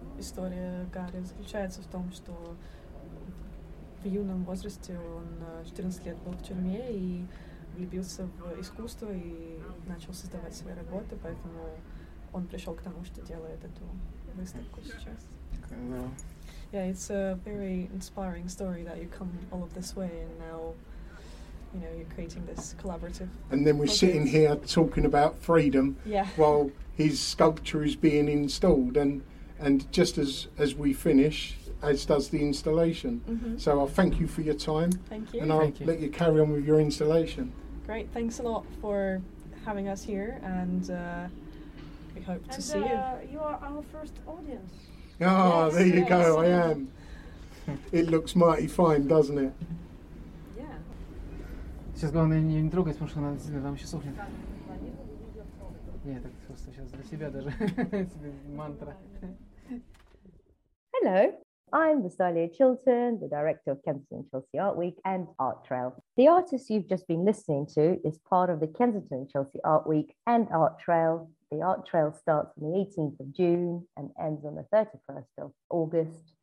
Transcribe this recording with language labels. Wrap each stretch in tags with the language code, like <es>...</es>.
<ru>История Гарри заключается в том, что в юном возрасте он 14 лет был в тюрьме и влюбился в искусство и начал создавать свои работы, поэтому он пришел к тому, что делает эту выставку сейчас.</ru> <en>Yeah, it's a very inspiring story that you come all of this way and now, you know, you're creating this collaborative. And then we're sitting here talking about freedom, yeah. while his sculpture is being installed, and just as we finish, as does the installation. Mm-hmm. So I'll thank you for your time. Thank you. And I'll let you carry on with your installation. Great. Thanks a lot for having us here and. We hope to see you. You are our first audience. Oh, yes, there you go, yes. I am. It looks mighty fine, doesn't it? Yeah.</en> <ru>Сейчас главное не трогать, потому что она действительно там еще сохнет. Нет, это просто сейчас для себя даже. Мантра.</ru> <en>Hello. I'm Vasalia Chilton, the director of Kensington Chelsea Art Week and Art Trail. The artist you've just been listening to is part of the Kensington Chelsea Art Week and Art Trail. The Art Trail starts on the 18th of June and ends on the 31st of August.</en>